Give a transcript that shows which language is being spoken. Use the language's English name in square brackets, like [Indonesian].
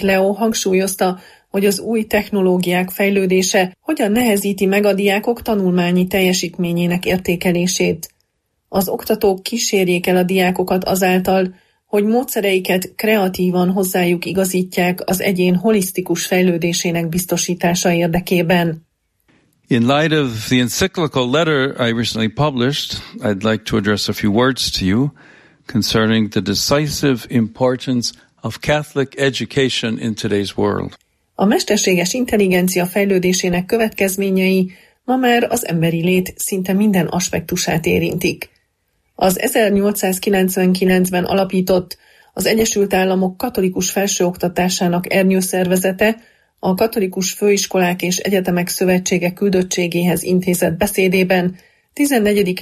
[Hungarian] Leó hangsúlyozta, hogy az új technológiák fejlődése hogyan nehezíti meg a diákok tanulmányi teljesítményének értékelését. Az oktatók kísérjék el a diákokat azáltal, hogy módszereiket kreatívan hozzájuk igazítják az egyén holisztikus fejlődésének biztosítása érdekében. [English] In light of the encyclical letter I recently published, I'd like to address a few words to you concerning the decisive importance of Catholic education in today's world. [Hungarian] A mesterséges intelligencia fejlődésének következményei ma már az emberi lét szinte minden aspektusát érintik. Az 1899-ben alapított az Egyesült Államok Katolikus Felsőoktatásának ernyőszervezete a Katolikus Főiskolák és Egyetemek Szövetsége küldöttségéhez intézett beszédében 14.